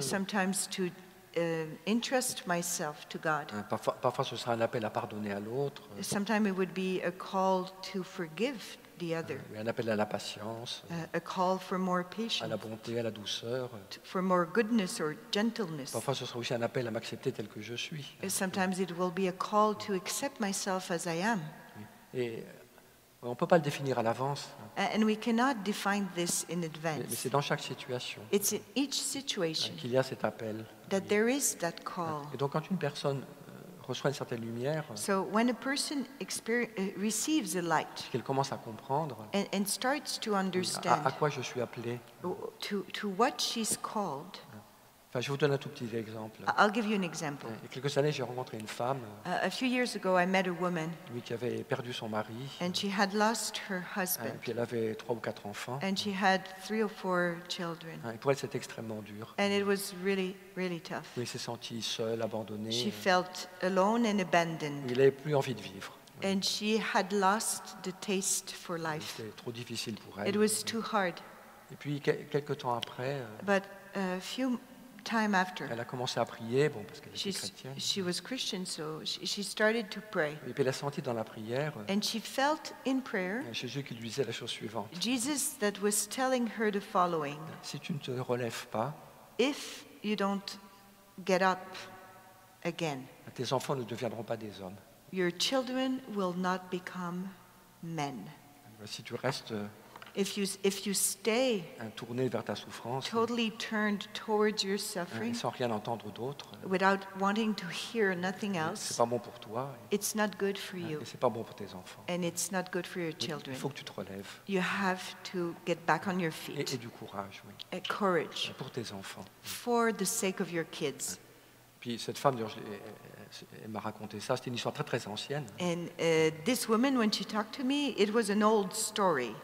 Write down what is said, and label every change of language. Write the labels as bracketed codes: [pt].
[en] Sometimes to interest myself to God. [fr] Parfois, ce sera un appel à pardonner à l'autre. [en] Sometimes it would be a call to forgive. The other. [fr] Un appel à la patience, [en] a call for more patience, [fr] à la bonté, à la douceur, [en] for more goodness or gentleness. [fr] Parfois, ce sera aussi un appel à m'accepter tel que je suis. [en] Sometimes it will be a call to accept myself as I am. [fr] Et on peut pas le définir à l'avance. [en] And we cannot define this in advance. [fr] Mais c'est dans chaque situation. [en] It's in each situation [fr] qu'il y a cet appel. [en] That there is that call. [fr] Et donc, quand une personne reçoit une certaine lumière. [en] So when a person receives a light, [fr] qu'elle commence à comprendre, [en] and starts to understand [fr] à quoi je suis appelé, [en] to what she's called, [fr] Enfin, je vous donne un tout petit exemple. [en] I'll give you an example. [fr] Il y a quelques années, j'ai rencontré une femme. [en] A few years ago, I met a woman. [fr] Oui, qui avait perdu son mari. [en] And she had lost her husband. [fr] Et puis elle avait 3 ou 4 enfants. [en] And she had 3 or 4 children. [fr] Et pour elle, c'était extrêmement dur. [en] And it was really, really tough. [fr] Oui, elle s'est sentie seule, abandonnée. [en] She felt alone and abandoned. [fr] Elle n'avait plus envie de vivre. [en] And she had lost the taste for life. [fr] C'était trop difficile pour elle. [en] It was too hard. [fr] Et puis quelques temps après. [en] But a few time after. [fr] Elle a commencé à prier, bon, parce qu'elle était chrétienne. [en] She was Christian, so she started to pray. [fr] Et puis elle a senti dans la prière. [en] And she felt in prayer. [fr] Jésus qui lui disait la chose suivante. [en] Jesus that was telling her the following. [fr] Si tu ne te relèves pas. [en] If you don't get up again. [fr] Tes enfants ne deviendront pas des hommes. [en] Your children will not become men. [fr] Si tu restes. [en] If you stay [fr] tourné vers ta souffrance, [en] totally turned towards your suffering, [fr] sans rien entendre d'autre, [en] without wanting to hear nothing else, [fr] c'est pas bon pour toi. [en] It's not good for you. [fr] Et c'est pas bon pour tes enfants. [en] And it's not good for your children. [fr] Il faut que tu te relèves. [en] You have to get back on your feet. [fr] Et du courage, oui. [en] A courage. [fr] Pour tes enfants. [en] For the sake of your kids. [fr] Puis cette femme, elle m'a raconté ça. C'était une histoire très très ancienne. [en] And this woman, when she talked to me, it was an old story.